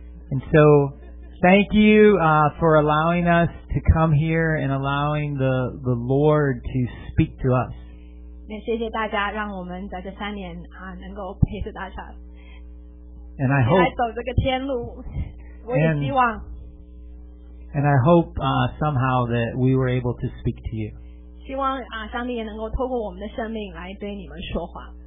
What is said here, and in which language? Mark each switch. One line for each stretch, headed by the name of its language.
English: And so, thank you for allowing us to come here and allowing the Lord to speak to us.
Chinese: 谢谢大家，让我们在这三年能够陪着大家。
English: And I hope.
Chinese: 来走这个天路。
English: And I hope somehow that we were able to speak to you.
Chinese: 希望上帝也能够透过我们的生命来对你们说话。